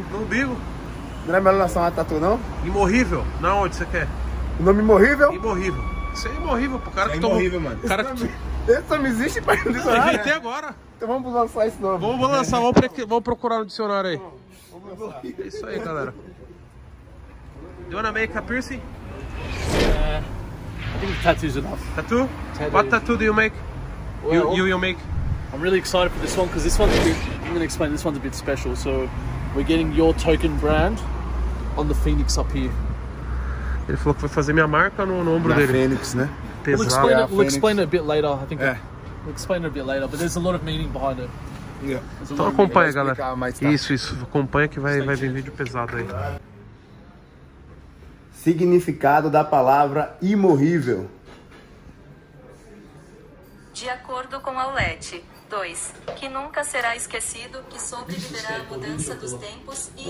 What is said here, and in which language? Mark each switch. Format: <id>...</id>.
<pt>No umbigo. Não é melhor lançar uma tatu, não? Imorrível. Na onde você quer? O nome imorrível? Imorrível. Isso é imorrível, pro cara é que tomou. Imorrível, mano. Cara esse nome existe, pai, no dicionário? Eu inventei agora. Então vamos lançar esse nome. Vamos lançar, vamos procurar no dicionário aí. É isso aí, galera.</pt> <en>Do you wanna make a piercing? I think tattoo's enough. Tattoo? Tattoo. What tattoo do you make? Well, you make? I'm really excited for this one because this one's a bit, I'm gonna explain, this one's a bit special. So we're getting your token brand on the Phoenix up here.</en> <pt>Ele falou que vai fazer minha marca no ombro dele. Phoenix, né? Pesado.</pt> <en>We'll explain it a bit later. I think we'll explain it a bit later, but there's a lot of meaning behind it. Yeah.</en> <pt>Então acompanha, galera. Isso. Acompanha que vai vir vídeo pesado aí. Significado da palavra imorrível. De acordo com Aulete, 2, que nunca será esquecido, que soube viver a mudança dos tempos e</pt>